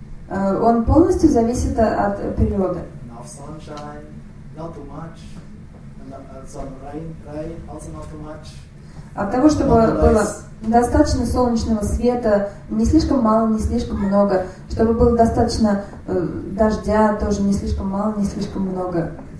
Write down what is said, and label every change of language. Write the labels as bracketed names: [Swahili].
[Russian] Он полностью зависит от природы. [English] Enough sunshine, not too much, and some rain, also not too much. [Russian] От того, чтобы было достаточно солнечного света, не слишком мало, не слишком много, чтобы было достаточно дождя, тоже не слишком мало, не слишком много.